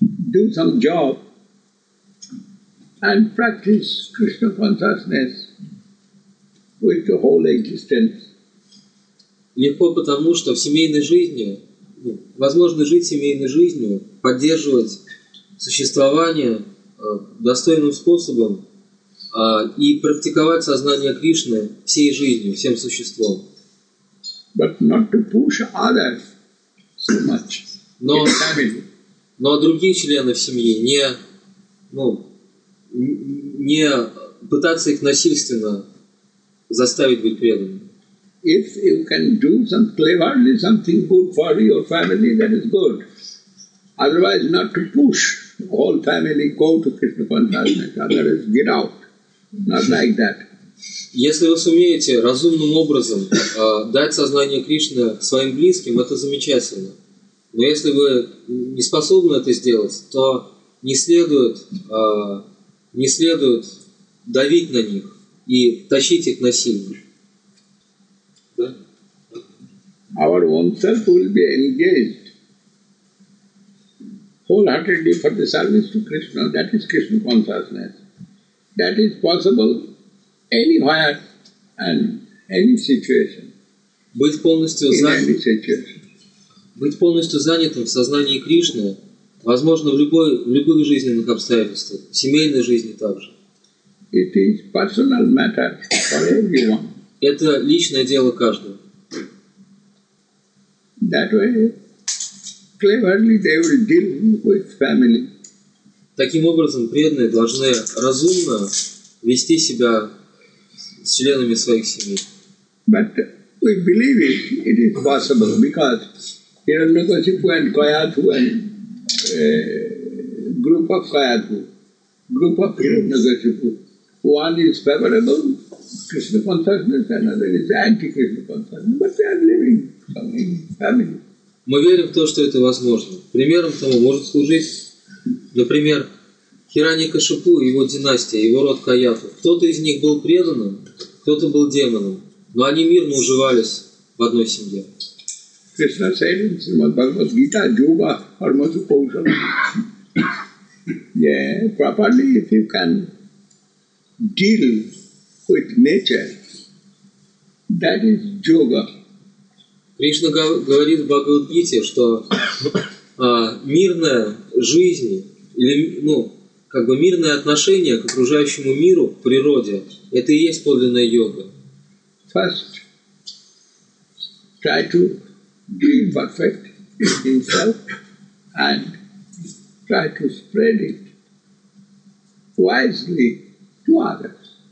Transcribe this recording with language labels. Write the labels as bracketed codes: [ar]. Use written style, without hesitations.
[en] Do some job and practice Krishna consciousness with the whole existence. [ru] Легко потому, что в семейной жизни возможно жить семейной жизнью, поддерживать существование достойным способом и практиковать сознание Кришны всей жизнью, всем существом. [en] But not to push others so much. [ru] Но Но другие члены семьи не, ну, не пытаться их насильственно заставить быть преданными. [en] If you can do some cleverly something good for your family, that is good. Otherwise, not to push whole family go to Krishna consciousness. Otherwise, get out. Not like that. [ru] Если вы сумеете разумным образом дать сознание Кришны своим близким, это замечательно. Но если вы не способны это сделать, то не следует давить на них и тащить их насильно. Да? [en] Our own self will be engaged wholeheartedly for the service to Krishna. That is Krishna consciousness. That is possible anywhere and any situation. [ru] Быть полностью занятым. Быть полностью занятым в сознании Кришны возможно в любых жизненных обстоятельствах, в семейной жизни также. [en] It is personal matter for everyone. [ru] Это личное дело каждого. [en] That way, cleverly they will deal with family. [ru] Таким образом, преданные должны разумно вести себя с членами своих семей. [en] But we believe it, it is possible because Hiranyakashipu and Kayathu and group of Kayathu, group of Hiranyakashipu. One is favorable Krishna consciousness, another is anti-Krishna consciousness, but they are living in family. [ru] Мы верим в то, что это возможно. Примером тому может служить, например, Хиранякашипу и его династия, его род Каяту. Кто-то из них был преданным, кто-то был демоном, но они мирно уживались в одной семье. [en] Krishna said, Srimad Bhagavad Gita, Yoga, Harmasu Kaushala. Yeah, properly, if you can deal with nature, that is yoga. [ru] Кришна говорит в Бхагавад-гите, что мирная жизнь, или, ну, как бы мирное отношение к окружающему миру, к природе, это и есть подлинная йога. [en] First, try to be perfect in self and try to spread it wisely to others.